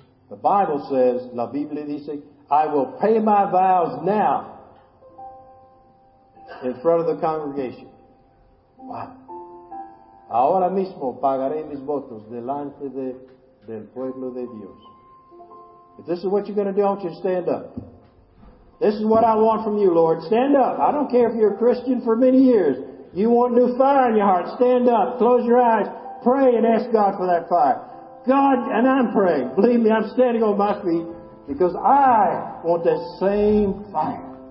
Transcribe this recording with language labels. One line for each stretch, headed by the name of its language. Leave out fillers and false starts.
English: The Bible says,
Spanish: la Biblia dice,
English: I will pay my vows now in front of the congregation. Wow.
Spanish: Ahora mismo pagaré mis votos delante del pueblo de Dios.
English: If this is what you're going to do, I want you to stand up. This is what I want from you, Lord. Stand up. I don't care if you're a Christian for many years. You want new fire in your heart. Stand up. Close your eyes. Pray and ask God for that fire. God, and I'm praying. Believe me, I'm standing on my feet because I want that same fire.